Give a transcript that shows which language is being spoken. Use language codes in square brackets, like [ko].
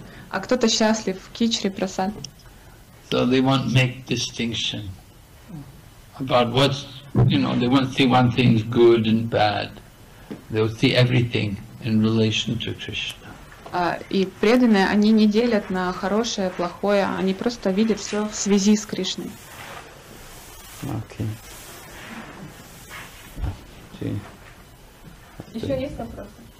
[ru] А кто-то счастлив, кичери, прасад. [en] So they won't make distinction about what's, you know, they won't see one thing's good and bad. They'll see everything in relation to Krishna. [ru] И преданные, они не делят на хорошее, плохое, они просто видят все в связи с Кришной. Окей. Еще есть вопросы?